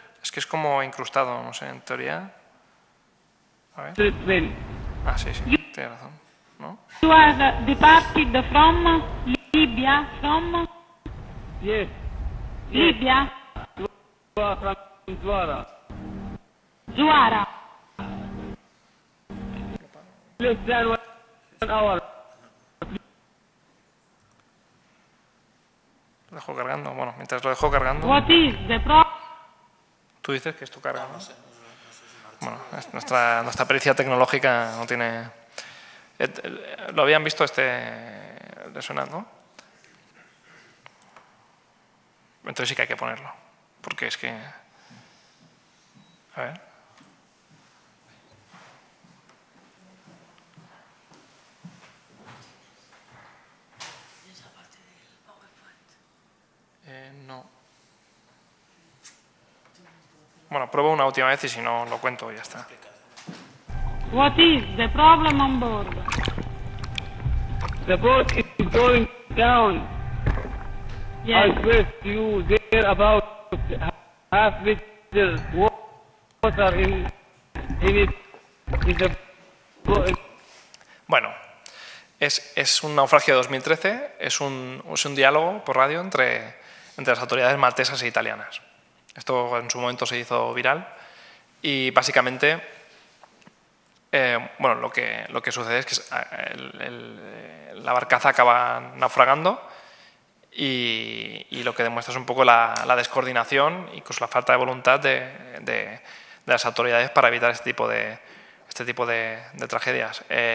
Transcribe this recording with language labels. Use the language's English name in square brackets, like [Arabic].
[Spanish] Es que es como incrustado, no sé, en teoría. A ver. Ah, sí, tienes razón. ¿No? [English] You are departed from Libya, from? Yes. Libya? From Zuara. Zuara. Less than 1 hour. [Spanish] Lo dejo cargando. Bueno, mientras lo dejo cargando... [English] What is the [Spanish] tú dices que esto carga, ¿no? Bueno, nuestra pericia tecnológica no tiene... Lo habían visto este... ¿Le suena, no? Entonces sí que hay que ponerlo. Porque es que... A ver... No. Bueno, pruebo una última vez y si no lo cuento y ya está. [English] What is the problem on board? The boat is going down. Yes. I swear to you, there are about half liter water in it. In the boat. [Spanish] Bueno. Es un naufragio de 2013, es un diálogo por radio entre las autoridades maltesas e italianas. Esto en su momento se hizo viral y básicamente bueno, lo que sucede es que la barcaza acaba naufragando y lo que demuestra es un poco la descoordinación y incluso la falta de voluntad de las autoridades para evitar este tipo de tragedias.